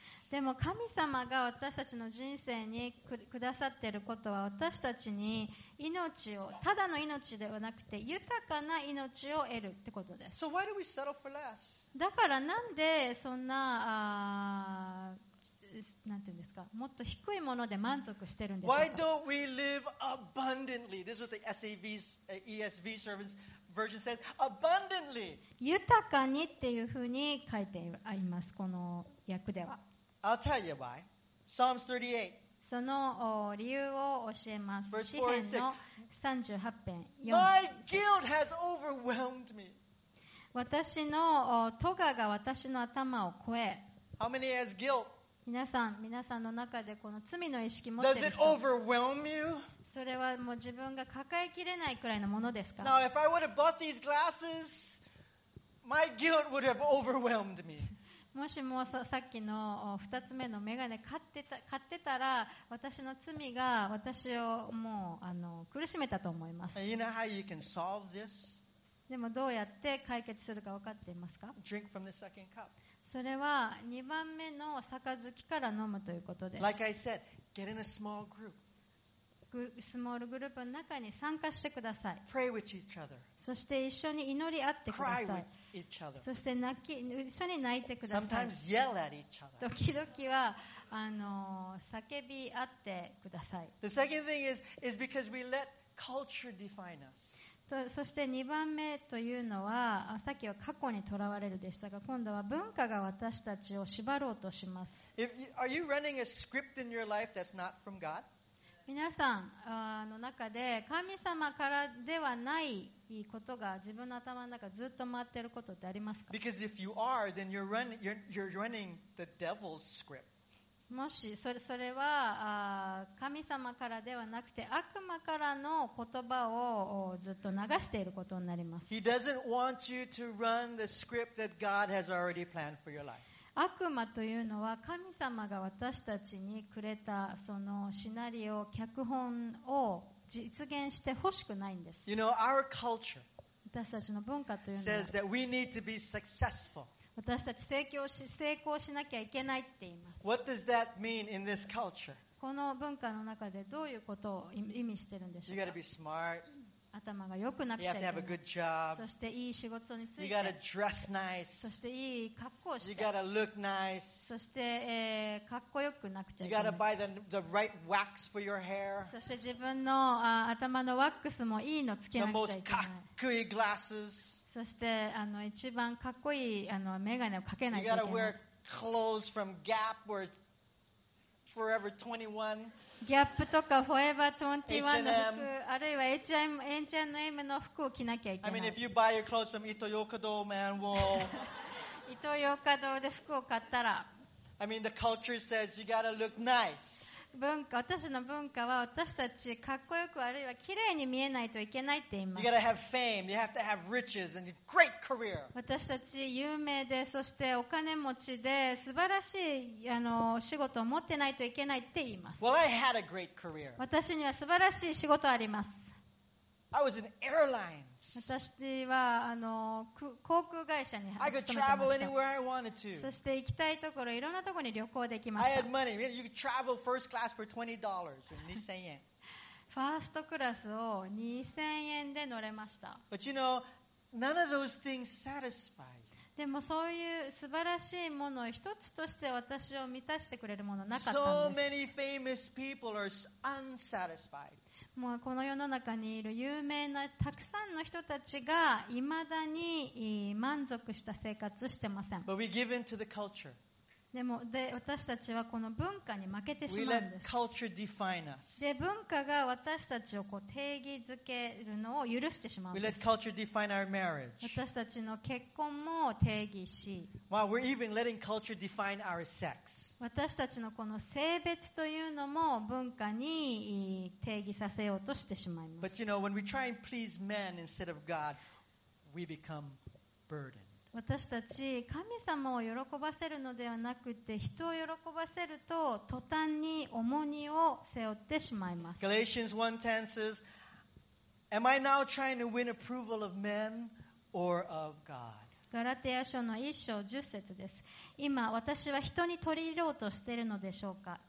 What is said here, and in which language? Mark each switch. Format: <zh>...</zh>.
<ja>でも神様が私たちの人生にくださっていることは私たちに命をただの命ではなくて豊かな命を得るってことです。</ja> <en>So why do we settle for less?</en> <ja>だからなんでそんな、なんていうんですか、もっと低いもので満足してるんでしょうか。</ja> <en>Why don't we live abundantly? This is what the ESV servants version says. Abundantly.</en> <ja>豊かにっていうふうに書いてあります、この訳では。</ja> <en>I'll tell you why. Psalms 38.</en> <ja>その理由を教えます。詩篇の38編4 節。</ja> <en>My guilt has overwhelmed me.</en> <ja>私のトガが私の頭を超え。</ja> <en>How many has guilt?</en> <ja>皆さんの中でこの罪の意識持ってる。</ja> <en>Does it overwhelm you?</en> <ja>それはもう自分が抱えきれないくらいのものですか?</ja> <en>Now, if I would have bought these glasses, my guilt would have overwhelmed me.</en> <ja>もしもさっきの二つ目のメガネ買ってたら私の罪が私をもう苦しめたと思います。</ja> <en>You know how you can solve this?</en> <ja>でもどうやって解決するか分かっていますか？</ja> <en>Drink from the second cup.</en> <ja>それは2番目の杯から飲むということです。</ja> <en>Like I said, get in a small group.</en> <ja>スモールグループの中に参加してください。</ja> <en>Pray with each other.</en> <ja>そして一緒に祈り合ってください。</ja> <en>Cry with each other.</en> <ja>そして泣き一緒に泣いてください。</ja> <en>Sometimes yell at each other.</en> <ja>時々は叫び合ってください。</ja> <en>The second thing is because we let culture define us.</en> <ja>そして2番目というのは、さっきは過去にとらわれるでしたが、今度は文化が私たちを縛ろうとします。皆さんの中で神様からではないことが自分の頭の中ずっと回っていることってありますか？</ja> <en>Because if you are, then you're running the devil's script.</en> <ja>もしそれは神様からではなくて悪魔からの言葉をずっと流していることになります。</ja> <en>He doesn't want you to run the script that God has already planned for your life.</en> <ja>悪魔というのは神様が私たちにくれたそのシナリオ脚本を実現してほしくないんです。</ja> <en>You know, our culture</en> <ja>私たちの文化というのは</ja> <en>says that we need to be successful.</en> <ja>私たち成功しなきゃいけないって言います。</ja> <en>What does that mean in this culture?</en> <ja>この文化の中でどういうことを意味してるんでしょうか。</ja> <en>You gotta be smart.</en> <ja>頭が良くなくちゃいけない。</ja> <en>You have to have a good job.</en> <ja>そしていい仕事について。</ja> <en>You gotta dress nice.</en> <ja>そしていい格好をして。</ja> <en>You gotta look nice.</en> <ja>そして、かっこよくなくちゃいけない。</ja> <en>You gotta buy the right wax for your hair.</en> <ja>そして自分の頭のワックスもいいのつけなくちゃいけない。</ja> <en>The most</en> <ja>かっこいい</ja> <en>glasses.</en> <ja>そして一番かっこいいメガネをかけないといけない。</ja> <en>You gotta wear clothes from Gap or Forever 21.</en> <ja>Gap とか Forever 21の服、あるいは H&M の服を着なきゃいけない。</ja> <en>I mean, if you buy your clothes from Ito-Yokado, man, whoa.</en> <ja>Ito-Yokado で服を買ったら。</ja> <en>I mean, the culture says you gotta look nice.</en> <ja>文化、私の文化は私たちかっこよくあるいは綺麗に見えないといけないって言います。</ja> <en>You gotta have fame, you have to have riches and a great career.</en> <ja>私たち有名でそしてお金持ちで素晴らしい仕事を持ってないといけないって言います。</ja> <en>Well, I had a great career.</en> <ja>私には素晴らしい仕事あります。</ja> <en>I was in airlines.</en> <ja>私は航空会社に勤めてました。</ja> <en>I could travel anywhere I wanted to.</en> <ja>そして行きたいところいろんなところに旅行できました。</ja> <en>I had money. You could travel first class for $20 or 2000 yen.</en> <ja>ファーストクラスを2000円で乗れました。</ja> <en>But you know, none of those things satisfied.</en> <ja>でもそういう素晴らしいものを一つとして私を満たしてくれるものなかったんです。</ja> <en>So many famous people are unsatisfied.</en> <ja>もうこの世の中にいる有名なたくさんの人たちが未だに満足した生活してません。</ja> <en>But we give in to the culture.</en> <ja>でも私たちはこの文化に負けてしまうんです。</ja> <en>We let culture define us.</en> <ja>で文化が私たちをこう定義づけるのを許してしまうんです。</ja> <en>We let culture define our marriage.</en> <ja>私たちの結婚も定義し。</ja> <en>Wow, we're even letting culture define our sex.</en> <ja>私たちのこの性別というのも文化に定義させようとしてしまいます。</ja> <en>But you know, when we try and please men instead of God, we become burdened.</en> <ja>私たち神様を喜ばせるのではなくて人を喜ばせると途端に重荷を背負ってしまいます。</ja> <en>Galatians 1:10 says, Am I now trying to win approval of men or of God?</en> <ja>ガラテヤ書の1章10節です。今私は人に取り入ろうとしているのでしょうか？</ja>